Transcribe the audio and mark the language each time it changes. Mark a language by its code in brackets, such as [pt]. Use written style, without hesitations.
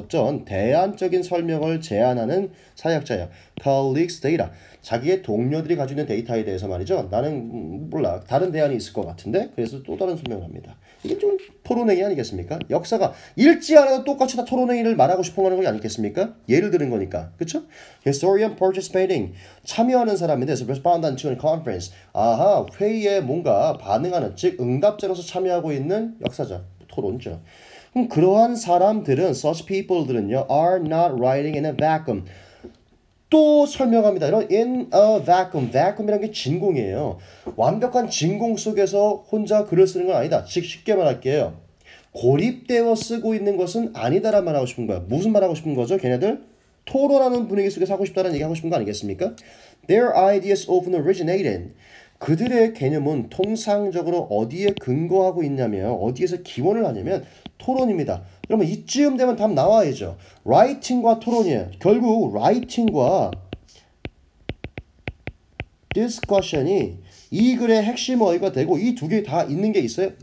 [ko] 어떤 대안적인 설명을 제안하는 사회학자예요. [en] Colleagues data. [ko] 자기의 동료들이 가지고 있는 데이터에 대해서 말이죠. 나는 몰라. 다른 대안이 있을 것 같은데. 그래서 또 다른 설명을 합니다. 이게 좀 토론회의 아니겠습니까? 역사가 읽지 않아도 똑같이 다 토론회의를 말하고 싶어 하는 거 아니겠습니까? 예를 들은 거니까. 그쵸? [en] Historian participating. [ko] 참여하는 사람인데, [en] respondent to a conference. [ko] 아하, 회의에 뭔가 반응하는, 즉, 응답자로서 참여하고 있는 역사자, 토론자. 그럼 그러한 사람들은, [en] such people들은요, are not writing in a vacuum. [ko] 또 설명합니다. 이런 [en] in a vacuum, [ko] vacuum이란 게 진공이에요. 완벽한 진공 속에서 혼자 글을 쓰는 건 아니다. 즉 쉽게 말할게요. 고립되어 쓰고 있는 것은 아니다라는 말 하고 싶은 거야. 무슨 말 하고 싶은 거죠? 걔네들 토론하는 분위기 속에서 하고 싶다는 얘기 하고 싶은 거 아니겠습니까? [en] Their ideas often originated. [ko] 그들의 개념은 통상적으로 어디에 근거하고 있냐면 어디에서 기원을 하냐면 토론입니다. 그러면 이쯤 되면 답 나와야죠. 라이팅과 토론이에요. 결국 라이팅과 디스커션이 이 글의 핵심 어휘가 되고 이두개다 있는 게 있어요.